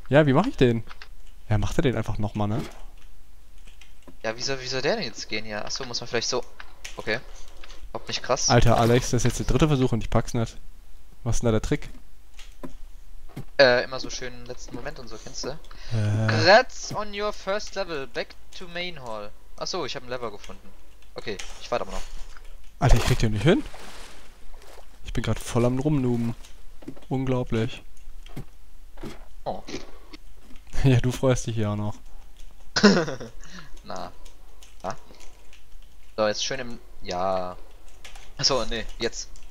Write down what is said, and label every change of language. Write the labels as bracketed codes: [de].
[de] Ja, wie mache ich den? Ja, macht er den einfach nochmal, ne? Ja, wieso der denn jetzt gehen hier? Achso, muss man vielleicht so. Okay. Ob nicht krass. Alter, Alex, das ist jetzt der dritte Versuch und ich pack's nicht. Was ist denn da der Trick? Immer so schön im letzten Moment und so, kennst du? [en] Grats on your first level, back to Main Hall. [de] Achso, ich habe ein Level gefunden. Okay, ich warte aber noch. Alter, ich krieg den nicht hin. Ich bin gerade voll am Rumnoben. Unglaublich. Oh. Ja, du freust dich ja auch noch. Na. Ja. So, jetzt schön im... Ja. Achso, nee, jetzt.